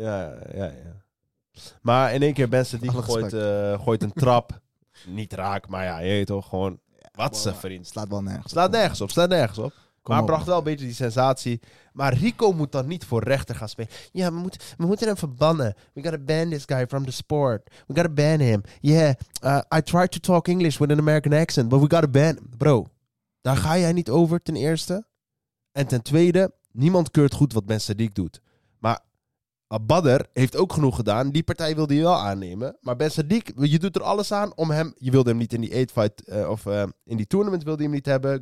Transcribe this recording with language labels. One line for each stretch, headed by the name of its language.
Dutch: Ja, ja, ja. Maar in één keer Ben Sadiq gooit een trap. Niet raak, maar ja, je weet toch, gewoon... Wat ze vriend. Slaat wel nergens op. Slaat nergens op. Kom maar op, bracht wel een beetje die sensatie. Maar Rico moet dan niet voor rechter gaan spelen. Ja, we moeten hem verbannen.
English: We gotta ban this guy from the sport. We gotta ban him. Yeah, I tried to talk English with an American accent, but we gotta ban him.
Dutch: Bro, daar ga jij niet over ten eerste. En ten tweede, niemand keurt goed wat Ben Sadiq doet. Maar Badr heeft ook genoeg gedaan. Die partij wilde je wel aannemen. Maar Ben Sadiq, je doet er alles aan om hem... Je wilde hem niet in die 8-fight in die tournament wilde je hem niet hebben.